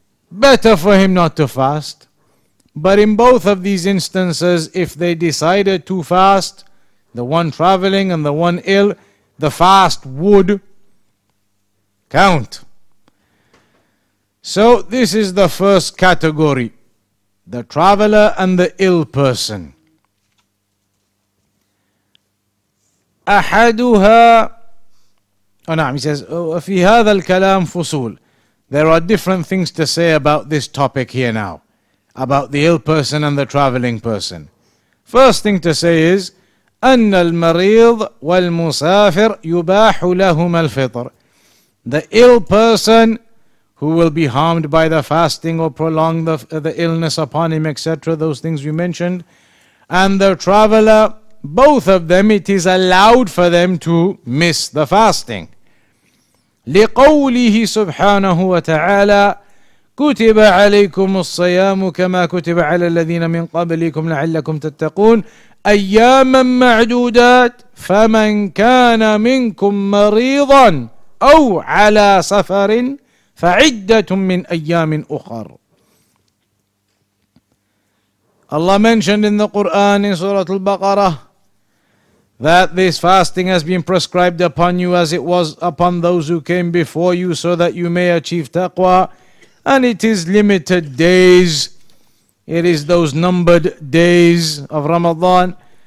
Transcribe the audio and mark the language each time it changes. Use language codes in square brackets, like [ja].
[en] Better for him not to fast. But in both of these instances, if they decided to fast, the one traveling and the one ill, the fast would count. So this is the first category, the traveler and the ill person. [ar] أحدها oh, نعم, [en] he says [ar] في هذا الكلام فصول. [en] There are different things to say about this topic here now, about the ill person and the traveling person. First thing to say is [ar] أن المريض والمسافر يباح لهما الفطر. [en] The ill person who will be harmed by the fasting or prolong the illness upon him, etc., those things we mentioned, and the traveler, both of them, it is allowed for them to miss the fasting. [ar] لقوله سبحانه وتعالى كتب عليكم الصيام كما كتب على الذين من قبلكم لعلكم تتقون أياما معدودات فمن كان منكم مريضا أو على سفر فعدة من أيام أخر. [en] Allah mentioned in the Quran in Surah Al-Baqarah that this fasting has been prescribed upon you as it was upon those who came before you, so that you may achieve taqwa. And it is limited days. It is those numbered days of Ramadan.